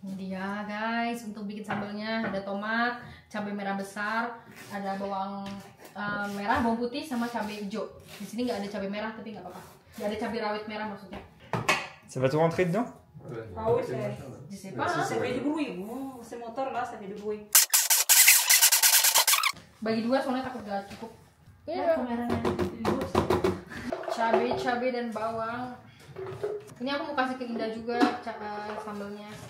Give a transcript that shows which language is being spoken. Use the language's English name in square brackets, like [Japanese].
[Indonesian] Dia guys, untuk bikin sambalnya ada tomat, cabai merah besar, ada bawang merah, bawang putih, sama cabai hijau. Di sini nggak ada cabai merah, tapi nggak apa-apa. Nggak ada cabai rawit merah maksudnya. [French] Ça va tout rentrer dedans? Ah oui, c'est. Je sais pas, ça fait du bruit. Ce moteur là, ça fait du bruit. [Indonesian] Bagi dua, soalnya takut nggak cukup. Iya. Yeah. Merahnya. Cabai dan bawang. Ini aku mau kasih ke Indah juga sambelnya.